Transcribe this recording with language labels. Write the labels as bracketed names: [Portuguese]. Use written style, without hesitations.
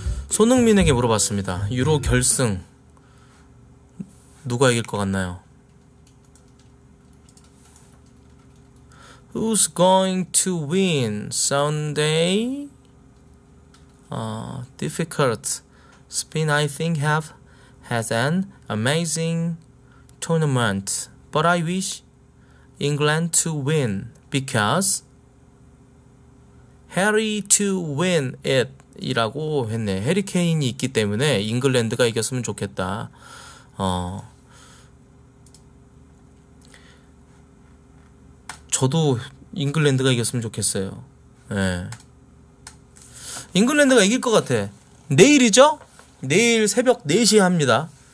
[Korean] 손흥민에게 물어봤습니다. 유로 결승 누가 이길 것 같나요? [English] Who's going to win Sunday? Difficult. Spain, I think, has an amazing tournament. But I wish England to win because Harry to win it. [Korean] 이라고 했네. 해리 케인이 있기 때문에 잉글랜드가 이겼으면 좋겠다. 저도 잉글랜드가 이겼으면 좋겠어요. 예. 잉글랜드가 이길 것 같아. 내일이죠? 내일 새벽 4시 합니다.